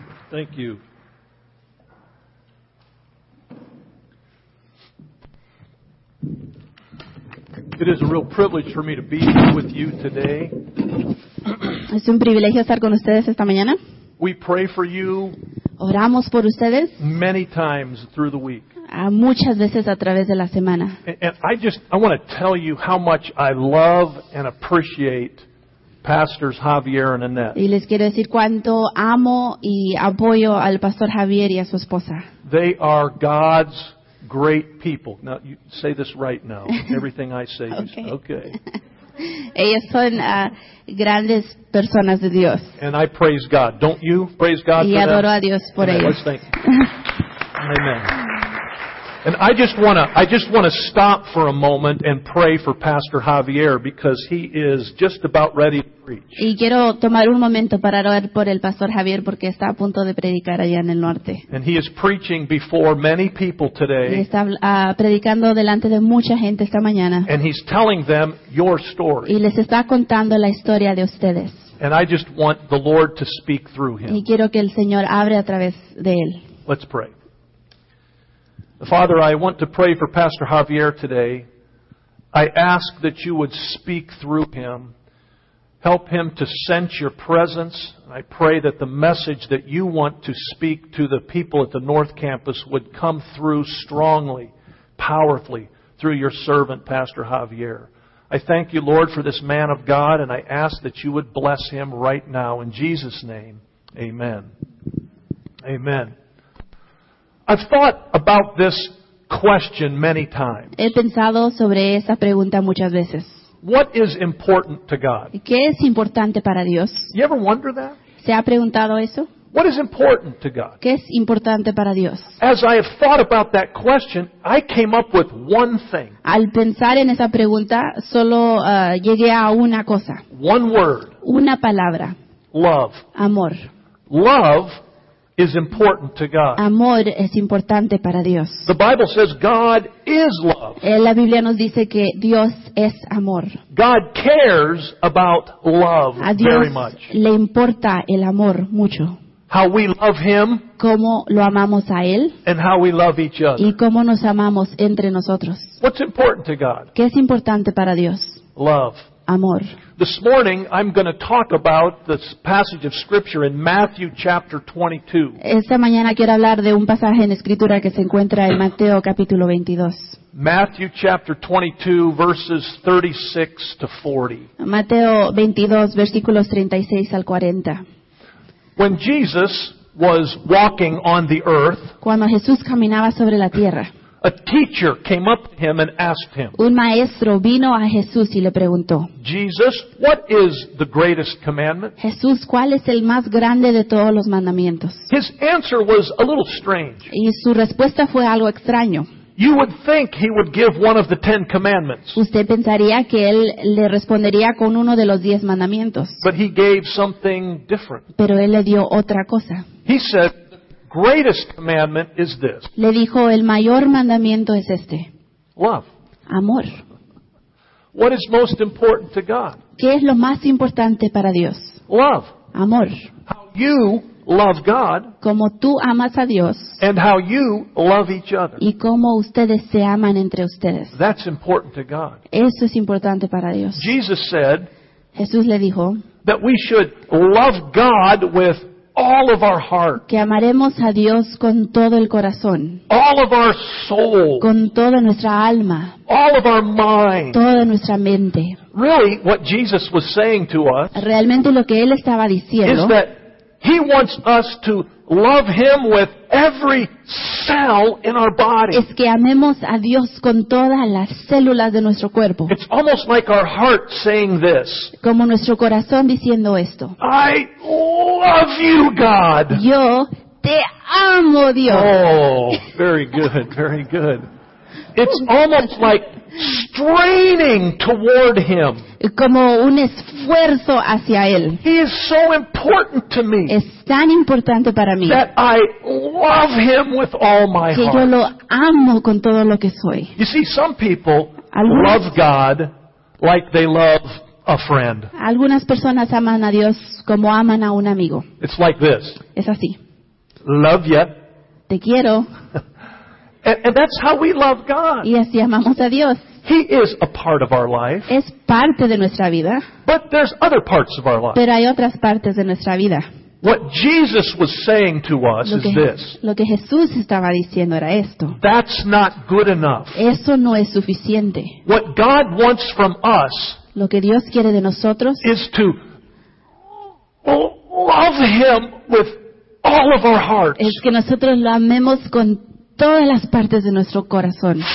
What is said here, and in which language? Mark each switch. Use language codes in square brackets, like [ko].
[en] Thank you. It is a real privilege for me to be here with you today. [es] Es un privilegio estar con ustedes esta mañana. [en] We pray for you. [es] Oramos por ustedes. [en] Many times through the week. [es] Muchas veces a través de la semana. [en] And I want to tell you how much I love and appreciate Pastors Javier and Annette. [es] Y les quiero decir cuánto amo y apoyo al pastor Javier y a su esposa. [en] They are God's great people. Now you say this right now. Everything I say is okay. [es] Ellas son grandes personas de Dios. [en] And I praise God. Don't you praise God? [es] Y adoro a Dios por ellos. [en] Let's thank you. Amen. And I just want to stop for a moment and pray for Pastor Javier because he is just about ready to preach. [es] Y quiero tomar un momento para orar por el pastor Javier porque está a punto de predicar allá en el norte. [en] And he is preaching before many people today. [es] Y está predicando delante de mucha gente esta mañana. [en] And he's telling them your story. [es] Y les está contando la historia de ustedes. [en] And I just want the Lord to speak through him. [es] Y quiero que el Señor hable a través de él. [en] Let's pray. Father, I want to pray for Pastor Javier today. I ask that you would speak through him. Help him to sense your presence. I pray that the message that you want to speak to the people at the North Campus would come through strongly, powerfully, through your servant, Pastor Javier. I thank you, Lord, for this man of God, and I ask that you would bless him right now. In Jesus' name, amen. Amen. I've thought about this question many times. [es] He pensado sobre esa pregunta muchas veces. [en] What is important to God? [es] ¿Qué es importante para Dios? [en] You ever wonder that? [es] ¿Se ha preguntado eso? [en] What is important to God? [es] ¿Qué es importante para Dios? [en] As I have thought about that question, I came up with one thing. [es] Al pensar en esa pregunta, solo llegué a una cosa. [en] One word. [es] Una palabra. [en] Love. [es] Amor. [en] Love is important to God. [es] Amor es importante para Dios. [en] The Bible says God is love. [es] La Biblia nos dice que Dios es amor. [en] God cares about love very much. [es] A Dios le importa el amor mucho. [en] How we love him. [es] Cómo lo amamos a él. [en] And how we love each other. [es] Y cómo nos amamos entre nosotros. [en] What's important to God? [es] ¿Qué es importante para Dios? [en] Love. [es] Amor. [en] This morning I'm going to talk about this passage of scripture in Matthew chapter 22. [es] Esta mañana quiero hablar de un pasaje en escritura que se encuentra en Mateo capítulo 22. [en] Matthew chapter 22 verses 36 to 40. [es] Mateo 22 versículos 36 al 40. [en] When Jesus was walking on the earth, [es] cuando Jesús caminaba sobre la tierra, [en] a teacher came up to him and asked him. [es] Un maestro vino a Jesús y le preguntó. [en] Jesus, what is the greatest commandment? [es] Jesús, ¿cuál es el más grande de todos los mandamientos? [en] His answer was a little strange. [es] Y su respuesta fue algo extraño. [en] You would think he would give one of the Ten Commandments. [es] Usted pensaría que él le respondería con uno de los 10 mandamientos. [en] But he gave something different. [es] Pero él le dio otra cosa. [en] He said, greatest commandment is this. [es] Le dijo, el mayor mandamiento es este. [en] Love. [es] Amor. [en] What is most important to God? [es] ¿Qué es lo más importante para Dios? [en] Love. [es] Amor. [en] How you love God. [es] Como tú amas a Dios. [en] And how you love each other. [es] Y cómo ustedes se aman entre ustedes. [en] That's important to God. [es] Eso es importante para Dios. [en] Jesus said, [es] Jesús le dijo, [en] that we should love God with all of our heart. [es] Que amaremos a Dios con todo el corazón. [en] All of our soul. [es] Con toda nuestra alma. [en] All of our mind. [es] Toda nuestra mente. [en] Really, what Jesus was saying to us. [es] Realmente lo que él estaba diciendo. [en] Is that he wants us to love him with every cell in our body. [es] Es que amemos a Dios con todas las células de nuestro cuerpo. [en] It's almost like our heart saying this. [es] Como nuestro corazón diciendo esto. [en] I love you, God. [es] Yo Te amo, Dios. [en] Oh, very good, very good. It's almost like straining toward Him. [es] Como un esfuerzo hacia Él. [en] He is so important to me. [es] Es tan importante para mí. [en] That I love Him with all my [es] que [en] heart. [es] Yo lo amo con todo lo que soy. [en] You see, some people love God like they love a friend. [es] Algunas personas aman a Dios como aman a un amigo. [en] It's like this. [es] Es así. [en] Love ya. [es] Te quiero. [en] And that's how we love God. [es] Y así amamos a Dios. [en] He is a part of our life. [es] Es parte de nuestra vida. [en] But there's other parts of our life. [es] Pero hay otras partes de nuestra vida. [en] What Jesus was saying to us is this. [es] Lo que Jesús estaba diciendo era esto. [en] That's not good enough. [es] Eso no es suficiente. [en] What God wants from us [es] lo que Dios quiere de nosotros [en] is to love Him with all of our hearts. [es] Es que nosotros lo amemos con todas las partes de nuestro corazón.